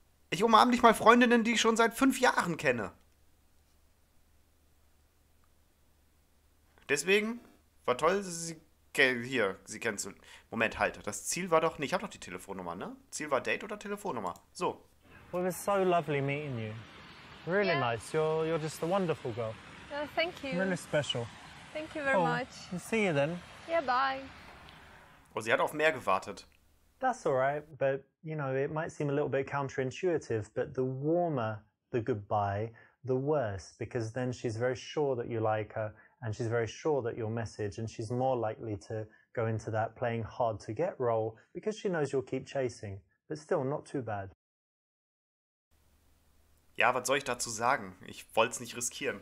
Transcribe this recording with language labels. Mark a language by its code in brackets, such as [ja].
[de] Ich umarme nicht mal Freundinnen, die ich schon seit 5 Jahren kenne. Deswegen war toll, sie kennenzulernen. Moment, halt. Das Ziel war doch nicht. Ich habe doch die Telefonnummer, ne? Ziel war Date oder Telefonnummer? [en] So. Well, it was so lovely meeting you. Really yeah. Nice. You're just a wonderful girl. Thank you. Really special. Thank you very much. See you then. Yeah, bye. [de] Oh, sie hat auf mehr gewartet. [en] That's all right, but you know, it might seem a little bit counterintuitive, but the warmer the goodbye, the worse, because then she's very sure that you like her and she's very sure that your message, and she's more likely to go into that playing hard to get role because she knows you'll keep chasing. But still not too bad. [de] Ja, was soll ich dazu sagen? Ich wollte es nicht riskieren.